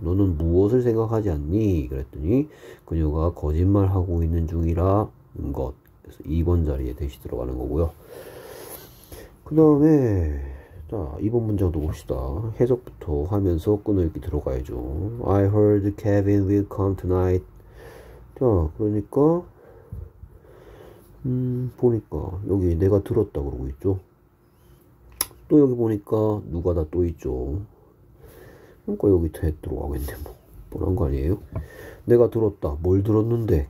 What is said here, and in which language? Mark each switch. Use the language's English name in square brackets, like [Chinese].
[Korean] 너는 무엇을 생각하지 않니? 그랬더니 그녀가 거짓말하고 있는 중이라는 것. 그래서 2번 자리에 대시 들어가는 거고요. 그 다음에 자, 2번 문장도 봅시다. 해석부터 하면서 끊어읽기 들어가야죠. [English] I heard Kevin will come tonight. [Korean] 자, 그러니까 보니까 여기 내가 들었다 그러고 있죠. 또 여기 보니까 누가다 또 있죠. 그러니까 여기 다 들어가겠네. 뭐 뻔한 거 아니에요? 내가 들었다. 뭘 들었는데?